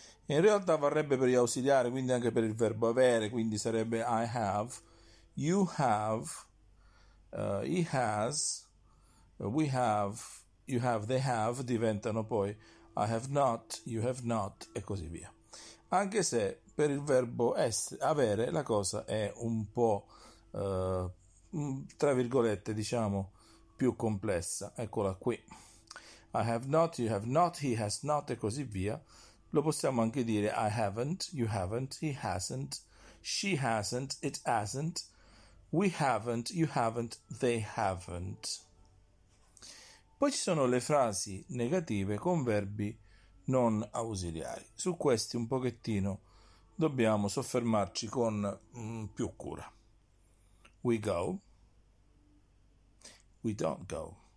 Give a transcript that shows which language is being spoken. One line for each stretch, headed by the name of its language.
Italian: E in realtà varrebbe per gli ausiliari, quindi anche per il verbo avere, quindi sarebbe
English: I have, you have, he has, we have, you have, they have, diventano poi I have not,
Italian: you have not, e così via. Anche se per il verbo essere, avere, la cosa è un po', tra virgolette, diciamo, più complessa. Eccola qui.
English: I have not, you have not, he has not,
Italian: e così via. Lo possiamo anche dire
English: I haven't, you haven't, he hasn't, she hasn't, it hasn't, we haven't, you haven't, they haven't.
Italian: Poi ci sono le frasi negative con verbi non ausiliari. Su questi un pochettino dobbiamo soffermarci con più cura.
English: We go. We don't go.